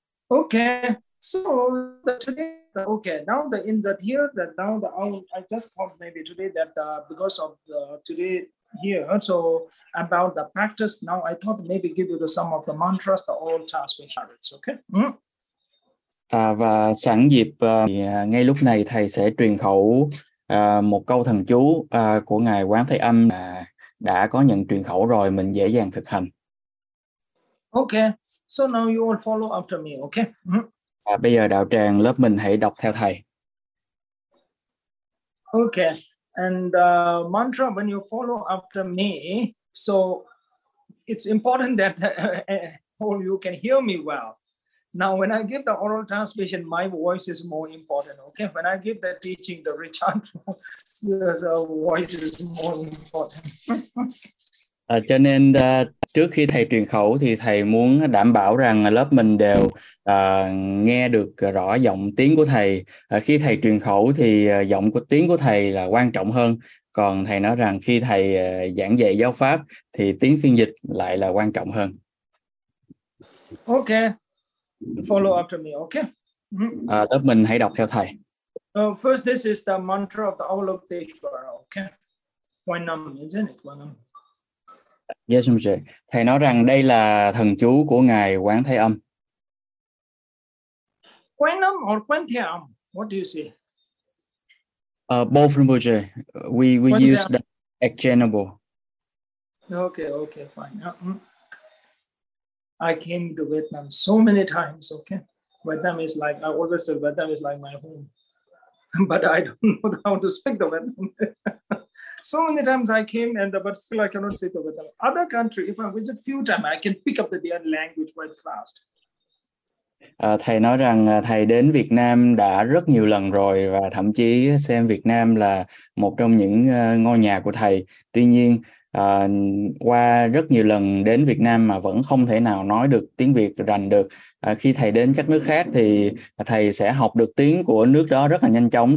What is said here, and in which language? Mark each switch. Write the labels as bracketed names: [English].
[English] Okay, so okay, now the in that here that now the I just thought maybe today that because of the today here, so about the practice now, I thought maybe give you the some of the mantras, the old chants for charity, okay? [Vietnamese] Và sẵn dịp ngay lúc này thầy sẽ truyền khẩu một câu thần chú của ngài Quán Thế Âm đã có nhận truyền khẩu rồi, mình dễ dàng thực hành. [English] Okay, so now you all follow after me, okay? [Vietnamese] Bây giờ đạo tràng lớp mình hãy đọc theo thầy. [English] Okay, and mantra when you follow after me, so it's important that all you can hear me well. Now when I give the oral transmission, my voice is more important, okay? When I give the teaching, the Richard, the voice is more important. [Vietnamese] Cho nên trước khi thầy truyền khẩu thì thầy muốn đảm bảo rằng lớp mình đều nghe được rõ giọng tiếng của thầy. Khi thầy truyền khẩu thì giọng của tiếng của thầy là quan trọng hơn. Còn thầy nói rằng khi thầy giảng dạy giáo pháp thì tiếng phiên dịch lại là quan trọng hơn. [English] Okay. Follow after me, okay? [Vietnamese] Lớp mình hãy đọc theo thầy. [English] First, this is the mantra of the Avalokiteshvara, okay? One number, isn't it? One number. Yes, Mr. [Vietnamese] Thầy nói rằng đây là thần chú của ngài Quán Thế Âm. [English] Quán Âm or Quán Thế Âm? What do you say? Both, Mr. We use the exchangeable. Okay, fine. I came to Vietnam so many times. Okay, Vietnam is like I always said. Vietnam is like my home, but I don't know how to speak the Vietnam. So many times I came and but still I cannot speak with them. Other country, if I visit few times, I can pick up the dear language quite fast. [Vietnamese] Thầy nói rằng thầy đến Việt Nam đã rất nhiều lần rồi và thậm chí xem Việt Nam là một trong những ngôi nhà của thầy. Tuy nhiên, qua rất nhiều lần đến Việt Nam mà vẫn không thể nào nói được tiếng Việt rành được. Khi thầy đến các nước khác thì thầy sẽ học được tiếng của nước đó rất là nhanh chóng.